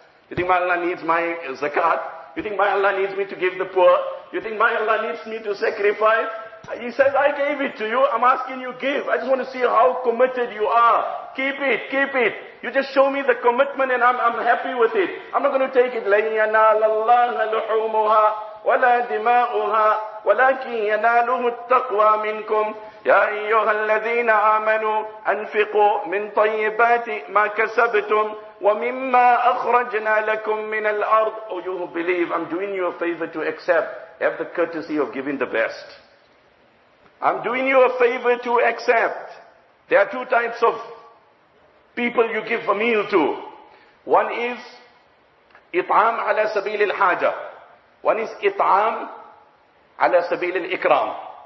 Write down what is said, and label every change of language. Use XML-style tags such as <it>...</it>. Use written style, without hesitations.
<en>You think my Allah needs my zakat? You think my Allah needs me to give the poor? You think my Allah needs me to sacrifice? He says, I gave it to you. I'm asking you, give. I just want to see how committed you are. Keep it, keep it. You just show me the commitment and I'm happy with it. I'm not going to take it.</en> <ar>لَنْ يَنَالَ اللَّهَ لُحُومُهَا وَلَا دِمَاؤُهَا وَلَكِنْ يَنَالُهُ التَّقْوَى مِنْكُمْ يَا أَيُّهَا الَّذِينَ آمَنُوا أَنْفِقُوا مِنْ طَيِّبَاتِ مَا كَسَبْتُمْ وَمِمَّا أَخْرَجْنَا لَكُمْ مِنَ الْأَرْضِ</ar> <en>Oh, you who believe, I'm doing you a favor to accept. Have the courtesy of giving the best. I'm doing you a favor to accept. There are two types of people you give a meal to. One is it'am ala sabil al haja. One is it'am ala sabil al ikram.</en>